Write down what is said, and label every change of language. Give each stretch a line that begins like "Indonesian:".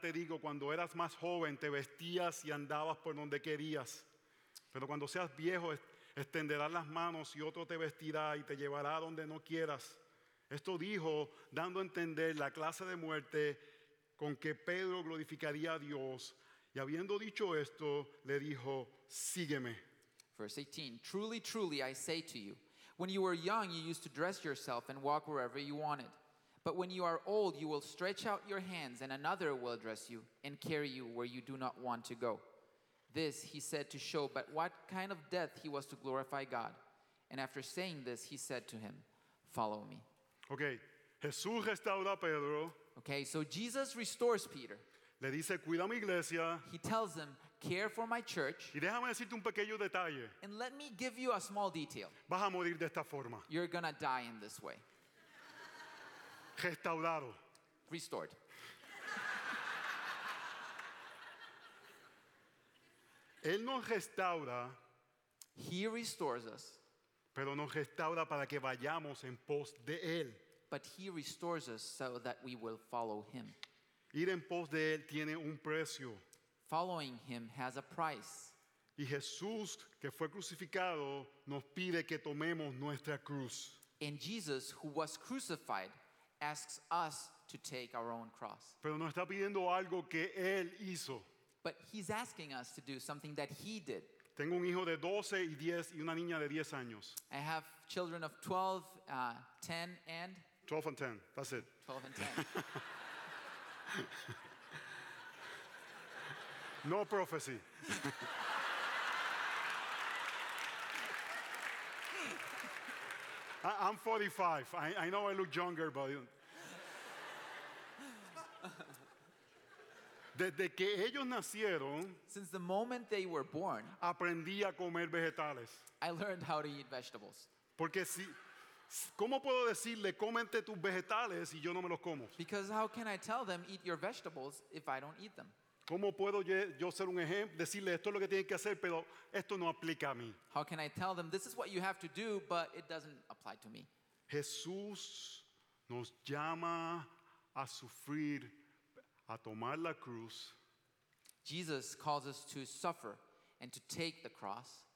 Spanish: te digo, cuando eras más joven te vestías y andabas por donde querías. Pero cuando seas viejo extenderás las manos y otro te vestirá y te llevará donde no quieras. Esto dijo, dando a entender la clase de muerte con que Pedro glorificaría a Dios. Y habiendo dicho esto, le dijo, sígueme.
English: Verse 18, truly, truly, I say to you, when you were young, you used to dress yourself and walk wherever you wanted. But when you are old, you will stretch out your hands and another will dress you and carry you where you do not want to go. This he said to show but what kind of death he was to glorify God. And after saying this, he said to him, follow me.
Spanish: Okay, Jesús restaura a Pedro.
English: Okay, so Jesus restores Peter.
Spanish: Le dice, cuida mi iglesia.
English: He tells him, care for my church.
Spanish: Y déjame decirte un pequeño detalle.
English: And let me give you a small detail.
Spanish: Vas a morir de esta forma.
English: You're going to die in this way.
Spanish: Restaurado.
English: Restored.
Spanish: Él nos restaura.
English: He restores us.
Spanish: Pero nos restaura para que vayamos en pos de Él.
English: But he restores us so that we will follow him.
Spanish: Ir en pos de Él tiene un precio.
English: Following him has a price.
Spanish: Y Jesús, que fue crucificado, nos pide que tomemos nuestra cruz.
English: And Jesus, who was crucified, asks us to take our own cross.
Spanish: Pero nos está pidiendo algo que Él hizo.
English: But he's asking us to do something that he did.
Spanish: Tengo un hijo de 12 y 10 y una niña de 10 años.
English: I have children of 12, 10 and? 12 and 10, that's it. 12 and 10. No prophecy. I'm 45. I know I look younger, but...
Spanish: Desde que ellos nacieron,
English: since the moment they were born,
Spanish: aprendí a comer vegetales.
English: I learned how to eat vegetables.
Spanish: Porque si, ¿cómo puedo decirle, cómete tus vegetales y yo no me los como?
English: Because how can I tell them, eat your vegetables if I don't eat them?
Spanish: ¿Cómo puedo yo ser un ejemplo, decirle, esto es lo que tienen que hacer, pero esto no aplica a mí?
English: How can I tell them, this is what you have to do, but it doesn't apply to me?
Spanish: Jesús nos llama a sufrir, a tomar la cruz.
English: Jesus calls us to suffer and to take the cross.